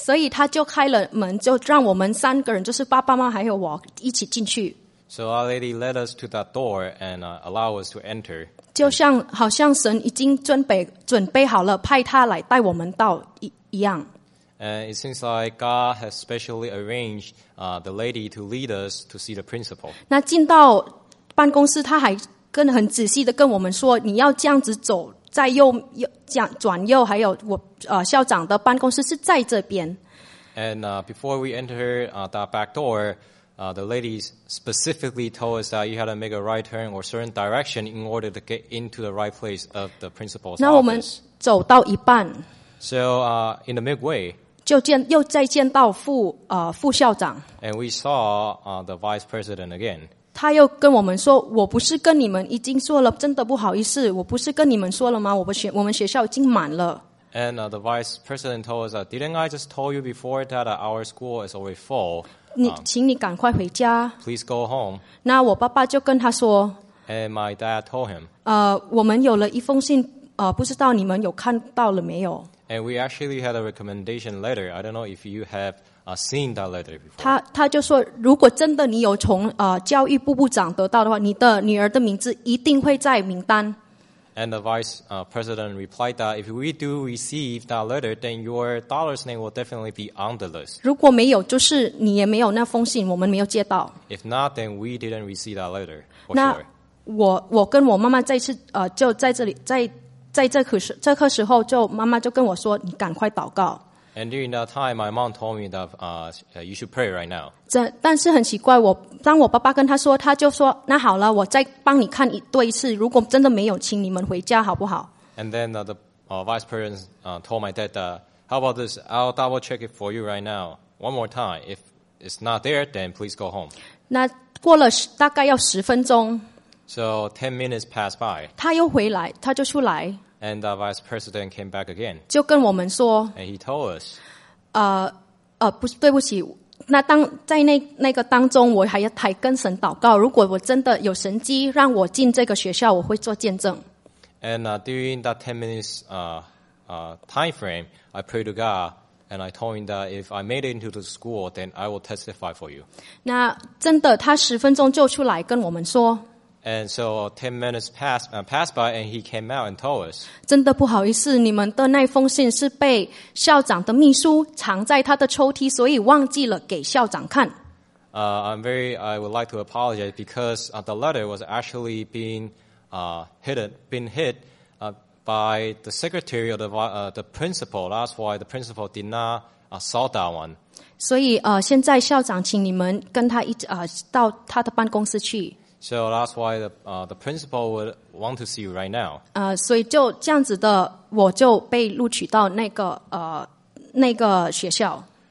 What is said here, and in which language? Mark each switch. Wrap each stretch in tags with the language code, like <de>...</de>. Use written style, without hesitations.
<zh>所以他就开了门，就让我们三个人，就是爸爸妈妈还有我一起进去。</zh> <en>So our lady led us to that door and allow us to enter.</en> <zh>就像好像神已经准备好了，派他来带我们到一样。</zh> <en>And it seems like God has specially arranged the lady to lead us to see the principal.</en> <zh>那进到办公室他还跟很仔细的跟我们说，你要这样子走，在右转右，还有我校长的办公室是在这边。</zh> <en>And before we enter that back door, the ladies specifically told us that you had to make a right turn or certain direction in order to get into the right place of the principal's office.</en> <zh>那我们走到一半。</zh> <en>So in the midway,</en> <zh>又再见到副校长。</zh> <en>And we saw the vice president again.</en> <zh>他又跟我们说，我不是跟你们已经说了，真的不好意思，我不是跟你们说了吗？我们学校已经满了。</zh> <en>And the vice president told us, didn't I just told you before that our school is already full?</en> <zh>请你赶快回家。</zh> <en>Please go home.</en> <zh>那我爸爸就跟他说。</zh> <en>And my dad told him.</en> <zh>我们有了一封信，不知道你们有看到了没有。</zh> <en>And we actually had a recommendation letter. I don't know if you have seen that letter before.</en> <zh>他就说，如果真的你有从教育部部长得到的话，你的女儿的名字一定会在名单。</zh> <en>And the vice president replied that if we do receive that letter, then your daughter's name will definitely be on the list.</en> <zh>如果没有，就是你也没有那封信，我们没有接到。</zh> <en>If not, then we didn't receive that letter.</en> <zh>那我跟我妈妈再次就在这里在这个时候，就妈妈就跟我说，你赶快祷告。</zh> <en>And during that time, my mom told me that you should pray right now.</en> <zh>但是很奇怪，当我爸爸跟他说，他就说，那好了，我再帮你看对一次，如果真的没有，请你们回家好不好？</zh> <en>And then the vice president told my dad, how about this? I'll double check it for you right now. One more time. If it's not there, then please go home.</en> <zh>那过了大概要十分钟。</zh> <en>So 10 minutes passed by.</en> <zh>他又回来，他就出来。</zh> <en>And the vice president came back again.</en> <zh>就跟我们说。</zh> <en>And he told us.</en> <zh>不是，对不起。那当在那个当中，我还跟神祷告。如果我真的有神迹让我进这个学校，我会做见证。</zh> <en>And during that 10 minutes time frame, I prayed to God and I told him that if I made it into the school, then I will testify for you.</en> <zh>那真的，他十分钟就出来跟我们说。</zh> <en>And so 10 minutes passed by and he came out and told us.</en> <zh>真的不好意思，你们的那封信是被校长的秘书藏在他的抽屉，所以忘记了给校长看。</zh> <en>I would like to apologize because the letter was actually been hid by the secretary of the principal. That's why the principal did not saw that one.</en> <zh>所以现在校长请你们跟他到他的办公室去。</zh> <en>So that's why the principal would want to see you right now.</en> <zh>所以就这样子的，我就被录取到那个学校。</zh>